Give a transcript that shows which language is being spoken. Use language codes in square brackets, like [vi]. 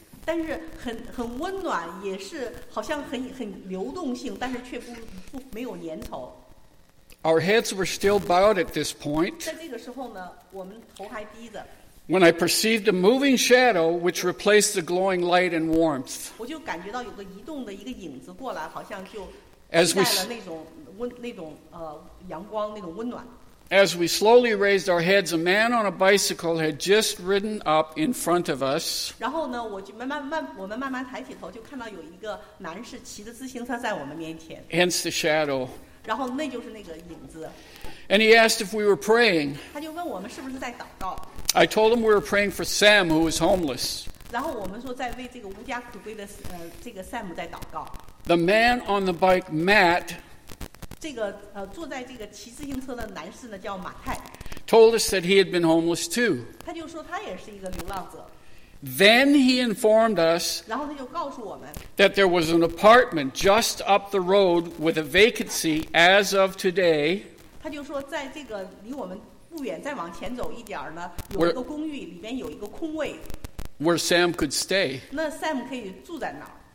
[zh] 但是很温暖，也是好像很流动性，但是却不没有粘稠。 [en] Our heads were still bowed at this point. [zh] 在这个时候呢，我们头还低着。 [en] When I perceived a moving shadow which replaced the glowing light and warmth. [zh] 我就感觉到有个移动的一个影子过来，好像就带了那种阳光那种温暖。 [en] As we slowly raised our heads, a man on a bicycle had just ridden up in front of us. [zh] 然后呢，我们慢慢抬起头，就看到有一个男士骑着自行车在我们面前。 [en] Hence the shadow. [zh] 然后那就是那个影子。 [en] And he asked if we were praying. [zh] 他就问我们是不是在祷告。 [en] I told him we were praying for Sam, who was homeless. [zh] 然后我们说在为这个无家可归的这个 Sam 在祷告。 [en] The man on the bike, Matt. [zh] 这个坐在这个骑自行车的男士呢叫马泰 [en] told us that he had been homeless too. [zh] 他就说他也是一个流浪者。 [en] Then he informed us, [zh] 然后他就告诉我们 [en] that there was an apartment just up the road with a vacancy as of today. [zh] 他就说在这个离我们不远再往前走一点呢有一个公寓里面有一个空位 [en] where Sam could stay. [zh] 那 Sam 可以住在哪儿。